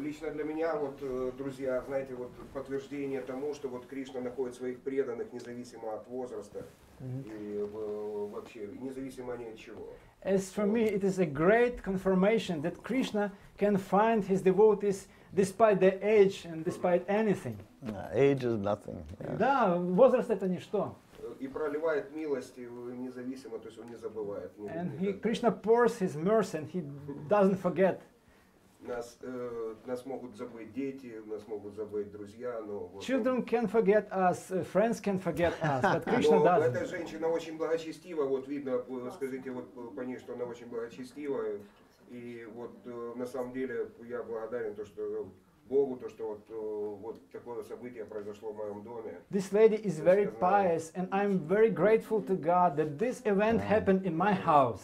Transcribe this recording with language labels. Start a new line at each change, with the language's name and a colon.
Russian: Лично для меня, вот, друзья, знаете, вот подтверждение тому, что вот Кришна находит своих преданных, независимо от возраста, и вообще, независимо ни от чего.
English: As for me, it is a great confirmation that Krishna can find his devotees despite their age and despite anything. Age is nothing.
Russian: Да, возраст это ничто. И проливает милость, независимо, то есть он не забывает.
English: And he, Krishna pours his mercy and he doesn't forget.
Russian: Нас могут забыть дети, нас могут забыть друзья, но...
English: Children can forget us, friends can forget us, but Krishna doesn't.
Russian: Но эта женщина очень благочестива, вот видно, скажите вот по ней, что она очень благочестива. И вот на самом деле я благодарен то, что... Богу то, что вот такое событие произошло в моем доме.
English: This lady is very pious, and I'm very grateful to God that this event happened in my house.